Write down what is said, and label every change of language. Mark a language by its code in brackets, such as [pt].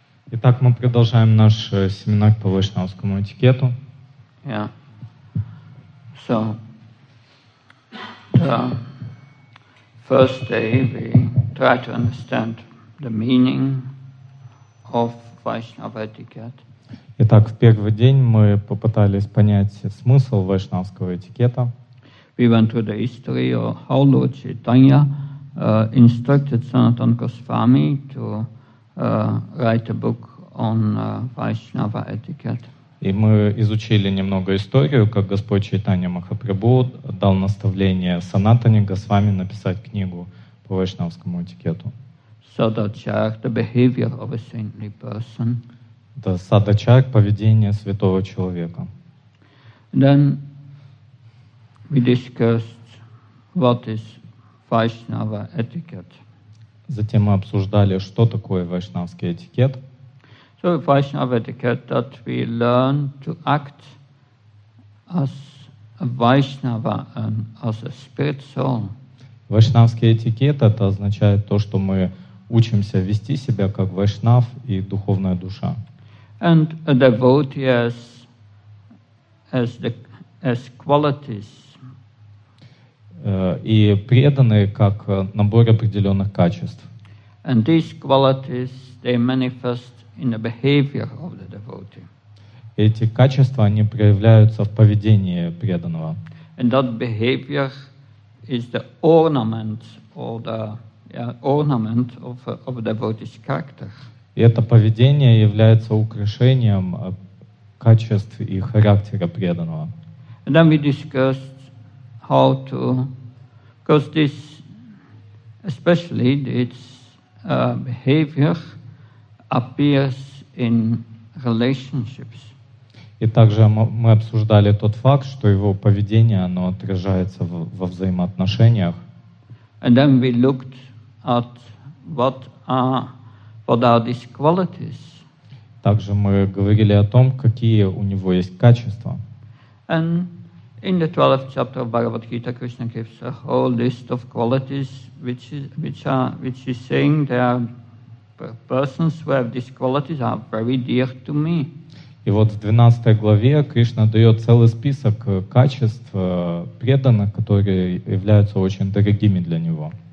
[ru] Итак, мы продолжаем наш семинар по вайшнавскому этикету. [en] Yeah. So the first day we try to understand the meaning of Vaishnava etiquette. [ru] Итак, в первый день мы попытались понять смысл вайшнавского этикета. [en] We went through the history of how Lord Chaitanya instructed Sanatana Goswami to write a book on Vaishnava etiquette. [ru] И мы изучили немного историю, как Господь Чайтанья Махапрабху дал наставление Санатане Госвами написать книгу по вайшнавскому этикету. [en] Садачар, the behavior of a saintly person. [ru] Да, садачар, поведение святого человека. [en] Then we discussed what is Vaishnava etiquette. [ru] Затем мы обсуждали, что такое вайшнавский этикет. [en] So Vaishnava etiquette that we learn to act as a Vaishnava and as a spirit soul. [ru] Вайшнавский этикет — это означает то, что мы учимся вести себя как вайшнав и духовная душа. [en] And a devotee as qualities. [ru] И преданные как набор определенных качеств. [en] And these qualities, they manifest in the behavior of the devotee. [ru] Эти качества, они проявляются в поведении преданного. [en] And that behavior is the ornament or the ornament of a devotee's character. [ru] И это поведение является украшением качеств и характера преданного. [en] And then we discussed how to. Because this, especially its behavior, appears in relationships. [ru] И также мы обсуждали тот факт, что его поведение, оно отражается во взаимоотношениях. [en] And then we looked at what are these qualities. [ru] Также мы говорили о том, какие у него есть качества. [en] And in the 12th chapter of Bhagavad Gita, Krishna gives a whole list of qualities which he's saying there are persons who have these qualities are very dear to me. [ru] И вот в 12 главе Кришна дает целый список качеств преданных, которые являются очень дорогими для него.